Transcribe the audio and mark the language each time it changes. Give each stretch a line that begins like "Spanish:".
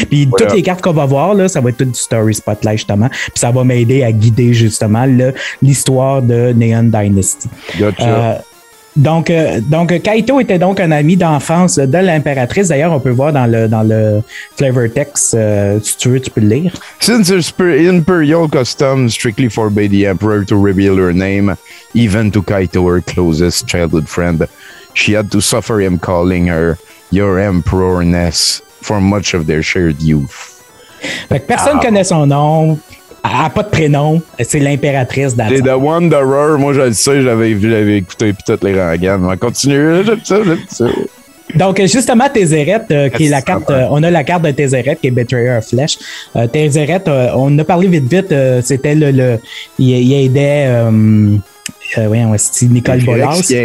French: Puis toutes les cartes qu'on va voir, là, ça va être tout du Story Spotlight, justement. Puis ça va m'aider à guider, justement, l'histoire de Neon Dynasty.
English: Gotcha.
French: Donc Kaito était donc un ami d'enfance de l'impératrice. D'ailleurs, on peut voir dans le flavor text, si tu veux, tu peux le lire.
English: Since it's imperial custom strictly forbade the emperor to reveal her name, even to Kaito, her closest childhood friend, she had to suffer him calling her your emperoress for much of their shared youth.
French: Fait que personne connaît son nom. Elle n'a pas de prénom, c'est l'impératrice d'Azur. C'est The Wanderer, moi je le sais, j'avais écouté puis toutes les rengaines. On va continuer, j'aime ça. Donc justement, Tesseract, qui est la carte, on a la carte de Tesseract qui est Betrayer of Flesh. Tesseract, on en a parlé vite, c'était le il aidait, Nicole Bolas.